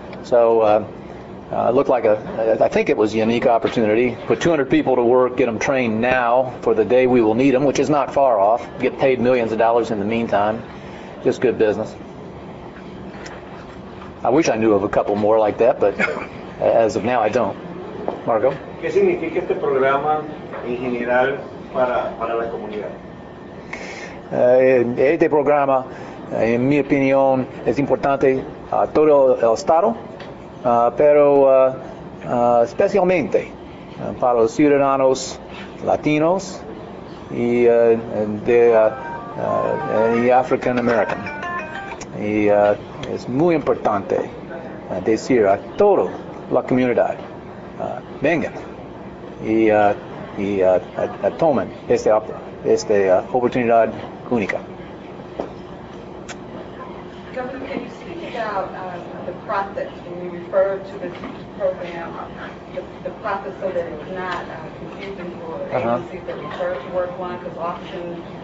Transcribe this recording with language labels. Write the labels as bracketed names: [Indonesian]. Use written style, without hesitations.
[English] So it looked like I think it was a unique opportunity. Put 200 people to work, get them trained now for the day we will need them, which is not far off. Get paid millions of dollars in the meantime. Just good business. I wish I knew of a couple more like that, but as of now, I don't. Margo? [Spanish] ¿Qué significa este programa en general para la comunidad? Este programa, en mi opinión, es importante a todo el estado, pero especialmente para los ciudadanos latinos y African American. Y es muy importante decir a toda la comunidad, vengan y tomen esta oportunidad única. [English] Governor, can you speak about the process when you refer to this program, the process so that it's not confusing for agencies that refer to work one, because often